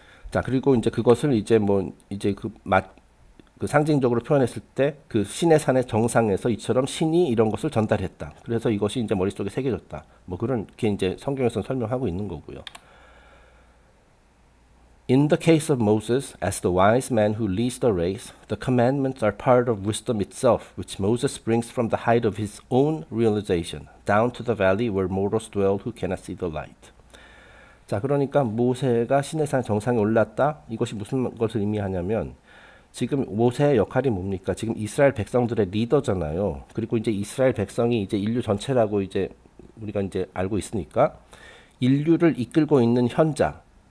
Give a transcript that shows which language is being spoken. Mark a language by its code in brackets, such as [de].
[ko] 자, 그리고 이제 그것을 이제 뭐 이제 그맛그 상징적으로 표현했을 때그 신의 산의 정상에서 이처럼 신이 이런 것을 전달했다. 그래서 이것이 이제 머릿속에 새겨졌다. 뭐 그런 게 이제 성경에서 설명하고 있는 거고요. [en] In the case of Moses, as the wise man who leads the race, the commandments are part of wisdom itself, which Moses brings from the height of his own realization, down to the valley where mortals dwell who cannot see the light. [ko] 자, 그러니까 모세가 시내산 정상에 올랐다. 이것이 무슨 것을 의미하냐면 지금 모세의 역할이 뭡니까? 지금 이스라엘 백성들의 리더잖아요. 그리고 이제 이스라엘 백성이 이제 인류 전체라고 이제 우리가 이제 알고 있으니까 인류를 이끌고 있는 현자.